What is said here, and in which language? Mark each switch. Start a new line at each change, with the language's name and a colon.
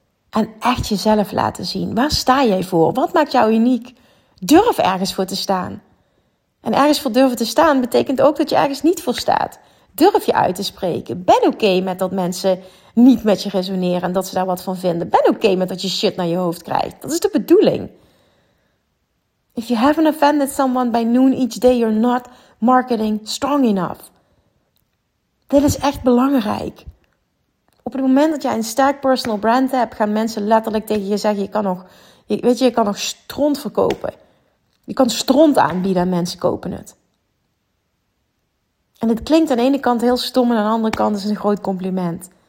Dutch: En echt jezelf laten zien. Waar sta jij voor? Wat maakt jou uniek? Durf ergens voor te staan. En ergens voor durven te staan betekent ook dat je ergens niet voor staat. Durf je uit te spreken. Ben oké met dat mensen niet met je resoneren en dat ze daar wat van vinden. Ben oké met dat je shit naar je hoofd krijgt. Dat is de bedoeling.
English: If you haven't offended someone by noon each day, you're not marketing strong enough.
Dutch: Dit is echt belangrijk. Op het moment dat jij een sterk personal brand hebt, gaan mensen letterlijk tegen je zeggen, je kan nog stront verkopen. Je kan stront aanbieden en mensen kopen het. En het klinkt aan de ene kant heel stom en aan de andere kant is het een groot compliment.